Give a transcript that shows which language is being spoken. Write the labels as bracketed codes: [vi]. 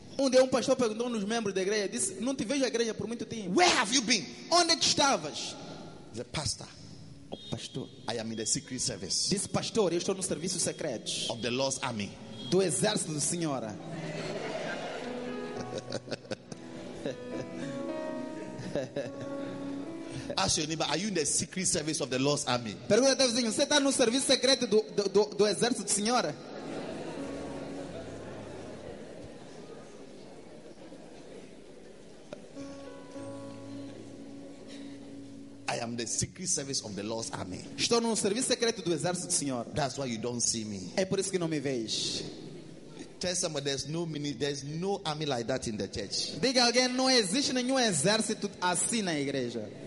[pt] Onde um pastor perguntou nos membros da igreja, disse, "Não te vejo a igreja por muito tempo." [en] "Where have you been?" [pt] Onde que estavas? [en] The pastor. [pt] O pastor. [en] "I am in the secret service." [pt] Disse, "Pastor, eu estou nos serviços secretos." [en] "Of the Lord's army." [pt] Do exército do Senhor. [en] Ask your neighbor, "Are you in the secret service of the Lord's army?" [pt] Pergunta ao vizinho, você está no serviço secreto do exército do Senhor? [en] "I am the secret service of the Lord's army." [pt] Estou no serviço secreto do exército do Senhor. [en] "That's why you don't see me." [pt] É por isso que não me vejo. [en] Tell somebody there's no army like that in the church. [pt] Diga alguém, não existe nenhum exército assim na igreja.